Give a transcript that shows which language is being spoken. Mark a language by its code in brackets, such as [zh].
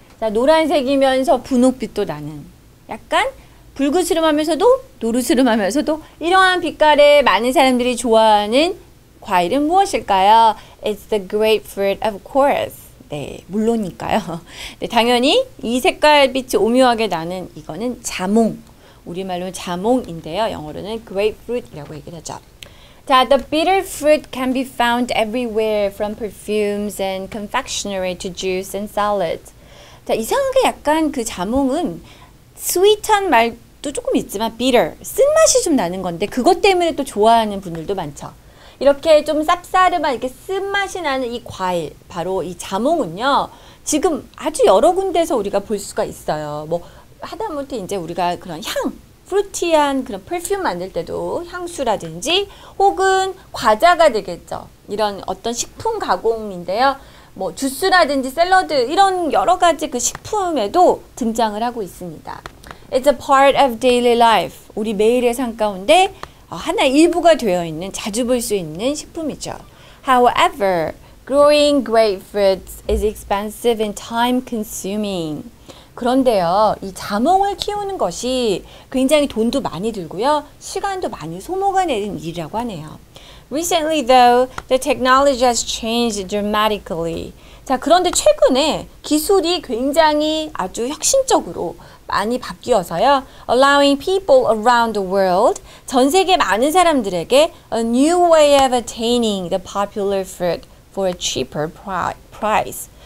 [ko] 자, 노란색이면서 분홍빛도 나는 약간 붉으스름하면서도 노르스름하면서도 이러한 빛깔에 많은 사람들이 좋아하는 과일은 무엇일까요? [en] It's the grapefruit, of course. [ko] 네, 물론이니까요. 네, 당연히 이 색깔 빛이 오묘하게 나는 이거는 자몽. 우리말로는 자몽인데요. 영어로는 grapefruit이라고 얘기를 하죠. [en] 자, the bitter fruit can be found everywhere from perfumes and confectionery to juice and salads. [ko] 자, 이상하게 약간 그 자몽은 스윗한 맛도 조금 있지만 비터, 쓴맛이 좀 나는 건데 그것 때문에 또 좋아하는 분들도 많죠. 이렇게 좀 쌉싸름한 이렇게 쓴맛이 나는 이 과일, 바로 이 자몽은요. 지금 아주 여러 군데서 우리가 볼 수가 있어요. 뭐 하다못해 이제 우리가 그런 향, 프루티한 그런 퍼퓸 만들 때도 향수라든지 혹은 과자가 되겠죠. 이런 어떤 식품 가공인데요. 뭐, 주스라든지 샐러드, 이런 여러 가지 그 식품에도 등장을 하고 있습니다. [en] It's a part of daily life. [ko] 우리 매일의 삶 가운데 하나의 일부가 되어 있는, 자주 볼수 있는 식품이죠. [en] However, growing grapefruits is expensive and time consuming. [ko] 그런데요, 이 자몽을 키우는 것이 굉장히 돈도 많이 들고요, 시간도 많이 소모가 되는 일이라고 하네요. [en] Recently, though, the technology has changed dramatically. [ko] 자, 그런데 최근에 기술이 굉장히 아주 혁신적으로 많이 바뀌어서요, [en] allowing people around the world, [ko] 전 세계 많은 사람들에게 [en] a new way of attaining the popular fruit for a cheaper price.